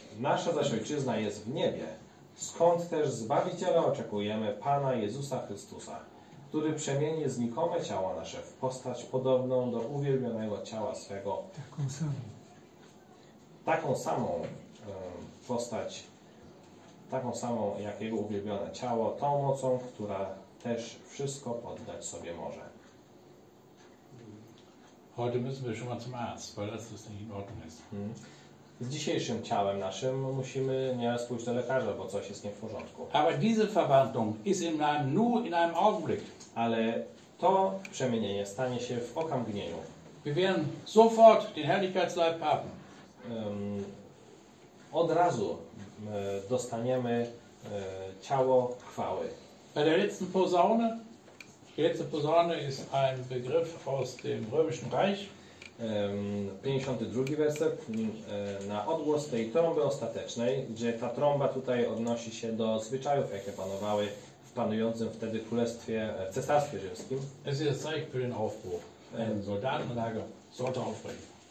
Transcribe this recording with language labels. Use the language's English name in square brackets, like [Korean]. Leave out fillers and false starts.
[Polish] Nasza zaś ojczyzna jest w niebie, skąd też Zbawiciela oczekujemy, Pana Jezusa Chrystusa, który przemieni znikome ciało nasze w postać podobną do uwielbionego ciała swego. Taką samą. Taką samą postać, taką samą jak jego uwielbione ciało, tą mocą, która też wszystko poddać sobie może. [German] Heute müssen wir schon mal zum Arzt, weil das nicht in Ordnung ist. [Polish] Z dzisiejszym ciałem naszym musimy nieraz pójść do lekarza, bo coś jest nie w porządku. [German] Aber diese Verwandlung ist im Namen nur in einem Augenblick. [Polish] Ale to przemienienie stanie się w okamgnieniu. [German] Wir werden sofort den Herrlichkeitsleib haben. [Polish] Od razu dostaniemy ciało chwały. [German] Bei der letzten Posaune. Die letzte Posaune ist ein Begriff aus dem Römischen Reich. [Polish] 52 werset, na odgłos tej trąby ostatecznej, gdzie ta trąba tutaj odnosi się do zwyczajów, jakie panowały w panującym wtedy królestwie, cesarstwie rzymskim. [German] Es ist Zeichen für den Aufbruch. Ein Soldatenlager sollte aufbrechen.